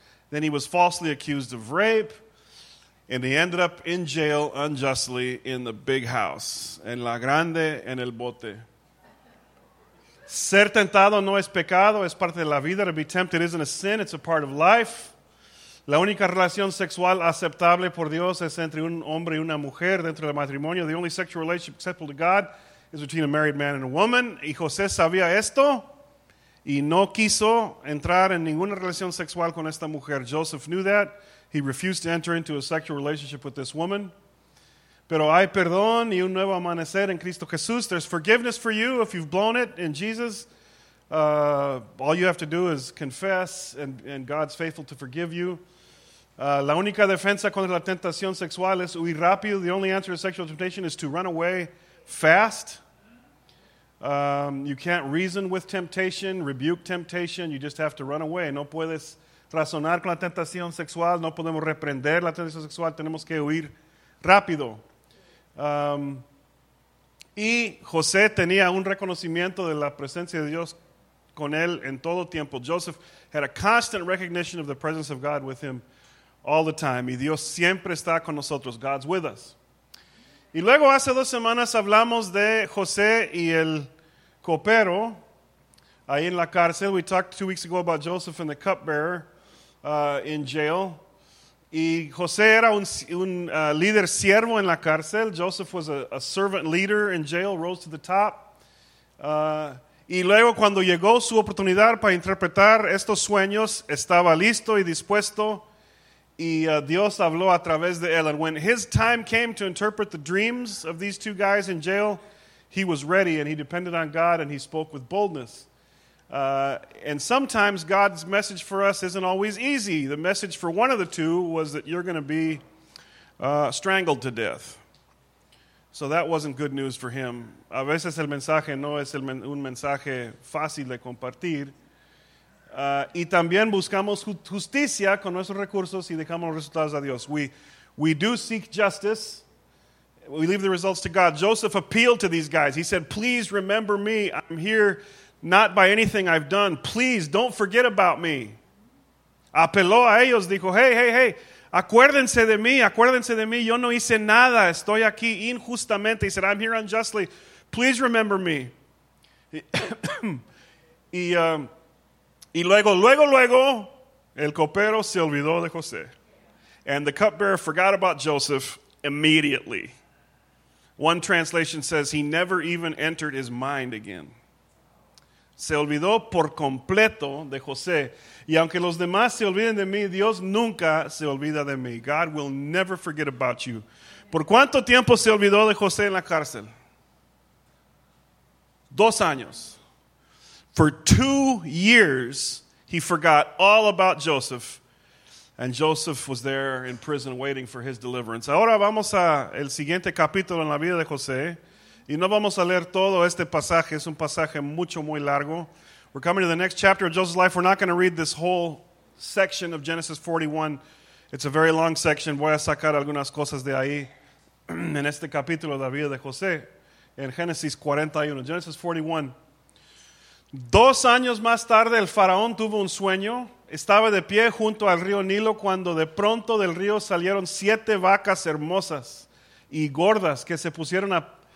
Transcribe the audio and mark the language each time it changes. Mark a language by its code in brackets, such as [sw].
[en] Then he was falsely accused of rape, and he ended up in jail unjustly in the big house, [es] en la grande, en el bote. Ser tentado no es pecado, es parte de la vida. [en] To be tempted isn't a sin, it's a part of life. [es] La única relación sexual aceptable por Dios es entre un hombre y una mujer dentro del matrimonio. [en] The only sexual relationship acceptable to God is between a married man and a woman. [es] Y José sabía esto y no quiso entrar en ninguna relación sexual con esta mujer. [en] Joseph knew that. He refused to enter into a sexual relationship with this woman. [es] Pero hay perdón y un nuevo amanecer en Cristo Jesús. [en] There's forgiveness for you if you've blown it in Jesus. All you have to do is confess, and God's faithful to forgive you. [es] La única defensa contra la tentación sexual es huir rápido. [en] The only answer to sexual temptation is to run away fast. You can't reason with temptation, rebuke temptation. You just have to run away. [es] No puedes razonar con la tentación sexual. No podemos reprender la tentación sexual. Tenemos que huir rápido. Y José tenía un reconocimiento de la presencia de Dios con él en todo tiempo. [en] Joseph had a constant recognition of the presence of God with him all the time. [es] Y Dios siempre está con nosotros. [en] God's with us. [es] Y luego hace dos semanas hablamos de José y el copero ahí en la cárcel. [en] We talked 2 weeks ago about Joseph and the cupbearer in jail. [es] Y José era un líder siervo en la cárcel. [en] Joseph was a servant leader in jail, rose to the top. [es] Y luego cuando llegó su oportunidad para interpretar estos sueños, estaba listo y dispuesto. Y Dios habló a través de él. [en] And when his time came to interpret the dreams of these two guys in jail, he was ready and he depended on God and he spoke with boldness. And sometimes God's message for us isn't always easy. The message for one of the two was that you're going to be strangled to death. So that wasn't good news for him. [es] A veces el mensaje no es un mensaje fácil de compartir. Y también buscamos justicia con nuestros recursos y dejamos los resultados a Dios. [en] We do seek justice. We leave the results to God. Joseph appealed to these guys. He said, please remember me. I'm here not by anything I've done. Please don't forget about me. [es] Apeló a ellos. Dijo, hey. Acuérdense de mí. Yo no hice nada. Estoy aquí injustamente. [en] He said, I'm here unjustly. Please remember me. [es] Y luego, el copero se olvidó de José. [en] And the cupbearer forgot about Joseph immediately. One translation says he never even entered his mind again. [es] Se olvidó por completo de José. Y aunque los demás se olviden de mí, Dios nunca se olvida de mí. [en] God will never forget about you. [es] ¿Por cuánto tiempo se olvidó de José en la cárcel? 2 años. [en] For 2 years, he forgot all about Joseph. And Joseph was there in prison waiting for his deliverance. [es] Ahora vamos a el siguiente capítulo en la vida de José. Y no vamos a leer todo este pasaje. Es un pasaje mucho, muy largo. [en] We're coming to the next chapter of Joseph's life. We're not going to read this whole section of Genesis 41. It's a very long section. [es] Voy a sacar algunas cosas de ahí en este capítulo de la vida de José. En Génesis 41. Genesis 41. 2 años más tarde, el faraón tuvo un sueño. Estaba de pie junto al río Nilo cuando de pronto del río salieron 7 vacas hermosas y gordas que se pusieron a...